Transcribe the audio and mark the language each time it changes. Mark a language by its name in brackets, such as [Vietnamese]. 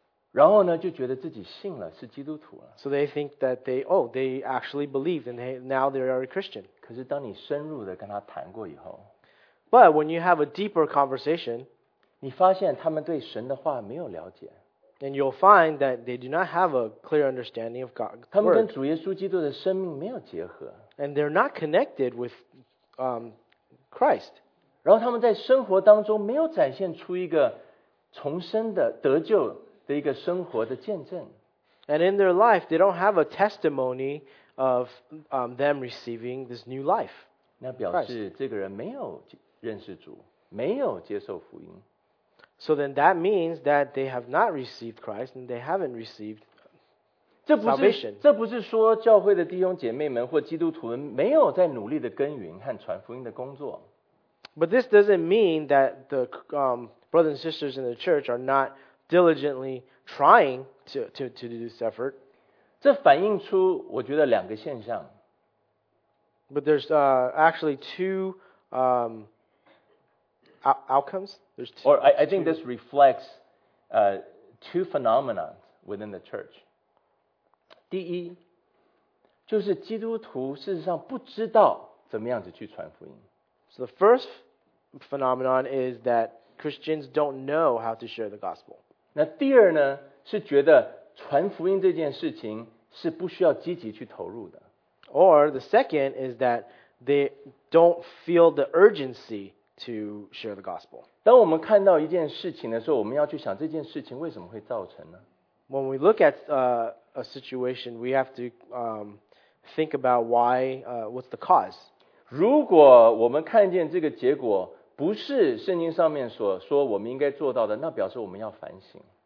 [Chinese] 然后呢，就觉得自己信了，是基督徒了。 [English] So they think that they actually believe, and now they are a Christian. [Chinese] 可是当你深入的跟他谈过以后 [English] ，But when you have a deeper conversation. [Chinese] 你发现他们对神的话没有了解。 [English] And you'll find that they do not have a clear understanding of God. [Chinese] 他们跟主耶稣基督的生命没有结合。 [English] And they're not connected with Christ. [Chinese] 然后他们在生活当中没有展现出一个重生的得救的一个生活的见证。 [English] And in their life, they don't have a testimony of them receiving this new life. [Chinese] 那表示这个人没有认识主，没有接受福音。 [English] So then that means that they have not received Christ and they haven't received salvation. [Chinese] 这不是说教会的弟兄姐妹们或基督徒们没有在努力的耕耘和传福音的工作。 [English] But this doesn't mean that the brothers and sisters in the church are not diligently trying to do this effort. [Chinese] 这反映出我觉得两个现象。 [English] But there's actually two outcomes. Or I think this reflects two phenomena within the church. [Chinese] 第一，就是基督徒事实上不知道怎么样子去传福音。 [English] So the first phenomenon is that Christians don't know how to share the gospel. [Chinese] 那第二呢，是觉得传福音这件事情是不需要积极去投入的。 [English] Or the second is that they don't feel the urgency to share the gospel. [Chinese] 当我们看到一件事情的时候，我们要去想这件事情为什么会造成呢？ [English] When we look at a situation, we have to think about why, what's the cause. [Chinese] 如果我们看见这个结果不是圣经上面所说我们应该做到的，那表示我们要反省。